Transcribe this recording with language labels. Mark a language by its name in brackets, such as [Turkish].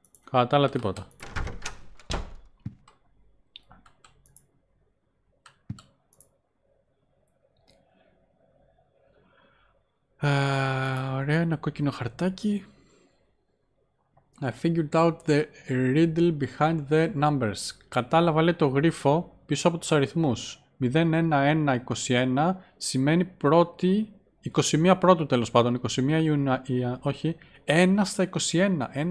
[Greek] Κατάλα τίποτα. Ωραία, ένα κόκκινο χαρτάκι. [English] I figured out the riddle behind the numbers. [Greek] Κατάλαβα, λέει, το γρίφο πίσω από τους αριθμούς. 01121 σημαίνει πρώτη, 21 πρώτου τέλος πάντων, 21 Ιουνία, όχι, 1 στα 21.